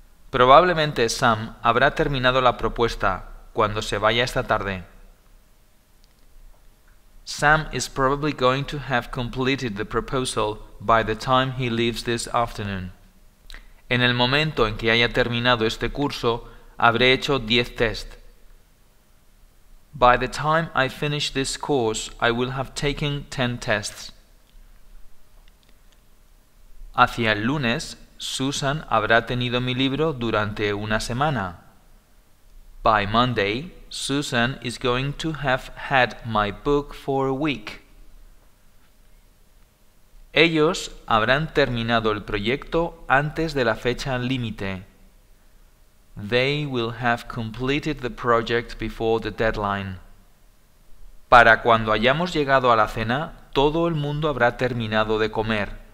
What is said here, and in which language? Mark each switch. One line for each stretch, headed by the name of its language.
Spanish: Probablemente Sam habrá terminado la propuesta cuando se vaya esta tarde.
English: Sam is probably going to have completed the proposal by the time he leaves this afternoon.
Spanish: En el momento en que haya terminado este curso, habré hecho 10 tests.
English: By the time I finish this course, I will have taken 10 tests.
Spanish: Hacia el lunes, Susan habrá tenido mi libro durante una semana.
English: By Monday, Susan is going to have had my book for a week.
Spanish: Ellos habrán terminado el proyecto antes de la fecha límite.
English: They will have completed the project before the deadline.
Spanish: Para cuando hayamos llegado a la cena, todo el mundo habrá terminado de comer.